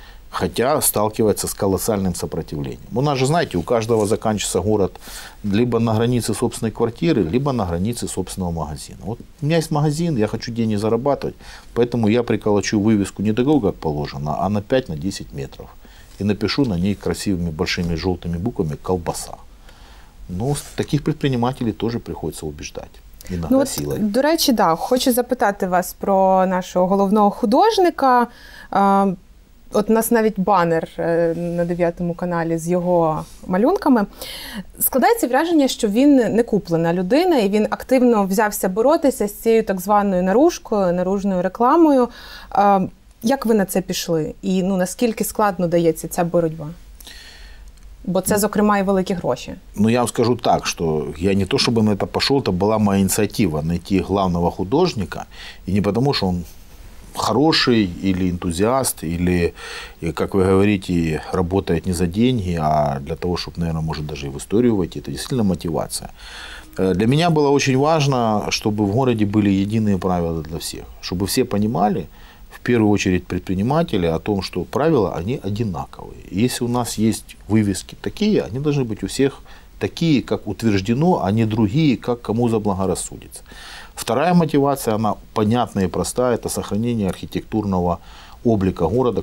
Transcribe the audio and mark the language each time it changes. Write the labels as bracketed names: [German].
[Russian] Хотя сталкивается с колоссальным сопротивлением. У нас же, знаете, у каждого заканчивается город либо на границе собственной квартиры, либо на границе собственного магазина. Вот у меня есть магазин, я хочу деньги зарабатывать, поэтому я приколочу вывеску не такую, как положено, а на 5-10 метров. И напишу на ней красивыми большими желтыми буквами «Колбаса». Ну, таких предпринимателей тоже приходится убеждать. Иногда, ну, от, силой. [Ukrainian] До речі, да, хочу запитати вас про нашого головного художника. От у нас навіть банер на 9-му каналі з його малюнками. Складається враження, що він не куплена людина, і він активно взявся боротися з цією так званою наружкою, наружною рекламою. Як ви на це пішли? І, ну, наскільки складно дається ця боротьба? Бо це, зокрема, і великі гроші. Ну, я вам скажу так, що я не то, щоб на це пішов, це була моя ініціатива – знайти головного художника. І не тому, що він хороший, или ентузіаст, или, як ви говорите, працює не за гроші, а для того, щоб, [Russian] наверное, [Ukrainian] може, навіть і в історію війти. Це дійсно мотивація. Для мене було дуже важливо, щоб в місті були єдині правила для всіх. Щоб всі розуміли, [Russian] в первую очередь предприниматели, о том, что правила, они одинаковые. Если у нас есть вывески такие, они должны быть у всех такие, как утверждено, а не другие, как кому заблагорассудится. Вторая мотивация, она понятная и простая, это сохранение архитектурного облика города.